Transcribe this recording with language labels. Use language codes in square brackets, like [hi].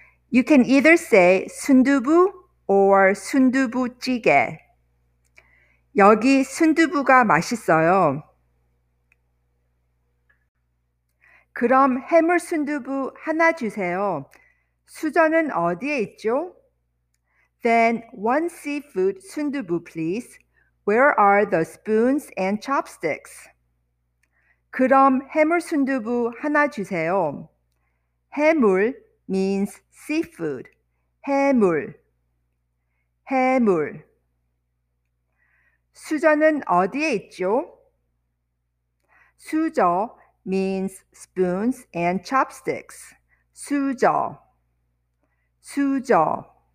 [en] You can either say 순두부 or 순두부 찌개. [ko] 여기 순두부가 맛있어요. 그럼 해물 순두부 하나 주세요. 수저는 어디에 있죠? [en] Then one seafood 순두부 please. Where are the spoons and chopsticks? [ko] 그럼 해물 순두부 하나 주세요. [en] 해물 means seafood. 해물. 해물. [ko] 수저는 어디에 있죠? [en] 수저 means spoons and chopsticks. 수저. 수저.